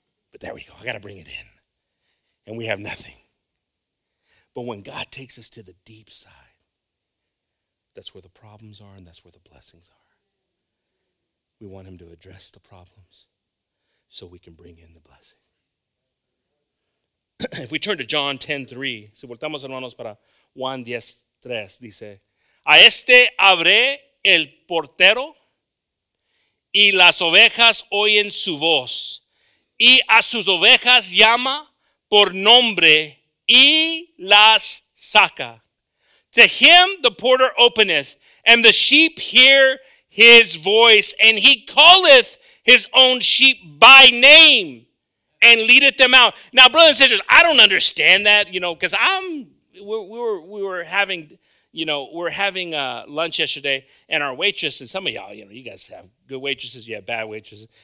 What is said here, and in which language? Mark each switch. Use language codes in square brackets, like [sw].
[en] But there we go. I got to bring it in. And we have nothing. But when God takes us to the deep side, that's where the problems are and that's where the blessings are. We want him to address the problems so we can bring in the blessings. If we turn to John 10:3, [es] si voltamos hermanos para Juan 10:3, dice, a este abre el portero y las ovejas oyen su voz y a sus ovejas llama por nombre y las saca. [en] To him the porter openeth and the sheep hear his voice and he calleth his own sheep by name. And leadeth them out. Now, brothers and sisters, I don't understand that, you know, because we were having lunch yesterday, and our waitress, and some of y'all, you know, you guys have good waitresses, you have bad waitresses.